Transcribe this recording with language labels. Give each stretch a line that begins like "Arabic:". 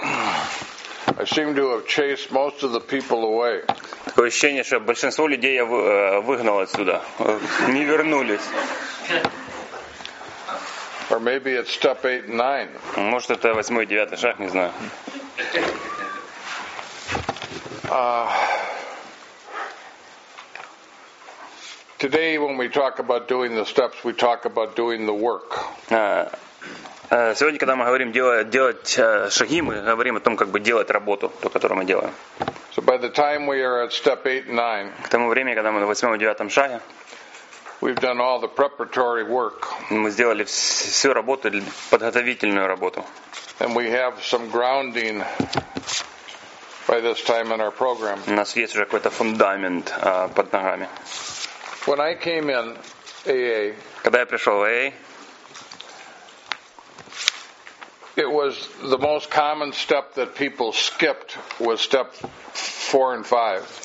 English: I seem to have chased most of the people away.
Russian: Такое ощущение, что большинство людей я выгнал отсюда, не вернулись.
English: Or maybe it's step 8 and 9.
Russian: Может это 8-й, 9-й шаг, не знаю.
English: Today, when we talk about doing the steps, we talk about doing the work.
Russian: Сегодня, когда мы говорим делать шаги, мы говорим о том, как бы делать работу, ту, которую мы делаем.
English: So by the time we are at step 8 and 9,
Russian: к тому времени, когда мы на 8-м и 9-м шаге,
English: we've done all the preparatory work.
Russian: Мы сделали всю работу, подготовительную работу.
English: And we have some grounding by this time in our program.
Russian: У нас есть уже какой-то фундамент под ногами.
English: When I came in AA,
Russian: когда я пришел в AA,
English: it was the most common step that people skipped was step 4 and 5.